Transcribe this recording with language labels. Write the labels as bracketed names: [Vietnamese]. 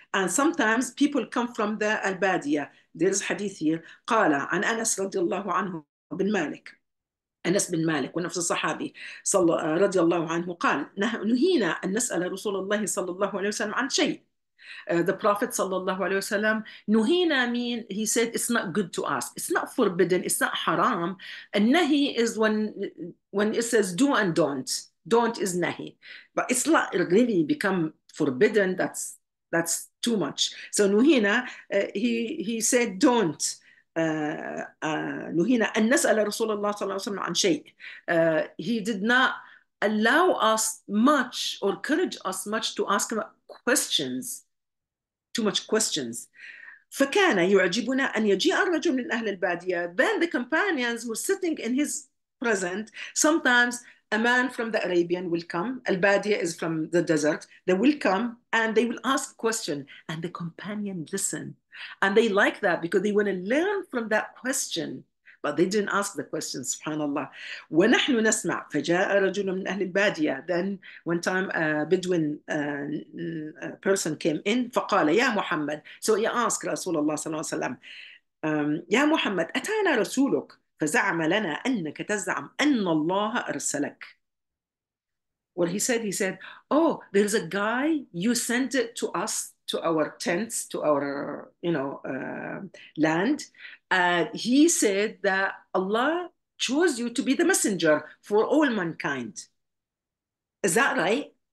[English] And sometimes people come from the al-Badiyah. There's hadith here. [Arabic] قال عن أنس رضي الله عنه بن مالك. أنس بن مالك ونفس الصحابي صلى رضي الله عنه قال نهينا أن نسأل رسول الله صلى الله عليه وسلم عن شيء. [English] The Prophet sallallahu alaihi wasallam, nuhina mean, he said, it's not good to ask. It's not forbidden. It's not haram. And nahi is when it says do and don't. Don't is nahi, but it's not really become forbidden. That's too much. So nuhina, he said, don't nuhina an nas'ala Rasulullah sallallahu alaihi wasallam an shay. He did not allow us much or encourage us much to ask him questions, too much questions. [Arabic] فكان يعجبنا أن يجيء الرجل من أهل البادية. [English] Then the companions were sitting in his present. Sometimes a man from the Arabian will come. Albadia is from the desert. They will come and they will ask a question. And the companion listen. And they like that because they want to learn from that question. But they didn't ask the question, subhanAllah. [Arabic] ونحن نسمع فجاء رجل من أهل البادية. [English] Then one time a Bedouin person came in, [Arabic] فقال يا محمد. [English] So he asked [Arabic] رسول الله صلى الله عليه وسلم, يا محمد أتانا رسولك فزعم لنا أنك تزعم أن الله أرسلك. [English] What he said, oh, there is a guy you sent it to us, to our tents, to our, you know, land. And he said that Allah chose you to be the messenger for all mankind. Is that right?